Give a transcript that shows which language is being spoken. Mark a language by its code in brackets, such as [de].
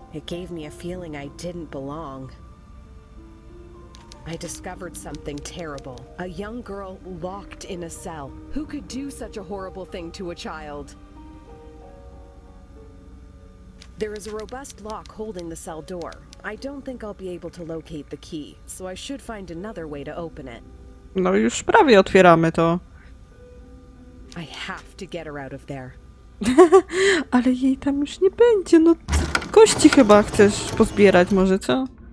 [en] It gave me a feeling I didn't belong. I discovered something terrible. A young girl locked in a cell. Who could do such a horrible thing to a child? There is a robust lock holding the cell door. I don't think I'll be able to locate the key, so I should find another way to open it. [pl] No już prawie otwieramy to. [en] I have to get her out of there. [pl] Ale jej tam już nie będzie. No kości chyba chcesz pozbierać może, co?